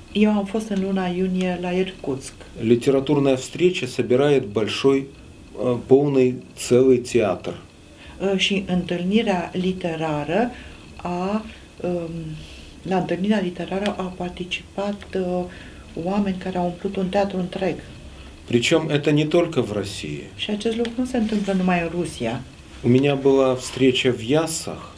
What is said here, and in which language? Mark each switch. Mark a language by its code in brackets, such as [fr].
[ro] Eu am fost în luna iunie la Иркутск. [ru] Литературная встреча собирает большой, полный, целый театр. [ro] Și întâlnirea literară a... la întâlnirea literară a participat oameni care au umplut un teatru întreg. [ru] Причем это не только в России. [ro] Și acest lucru nu se întâmplă numai în Rusia. [ru] У меня была встреча в Ясах.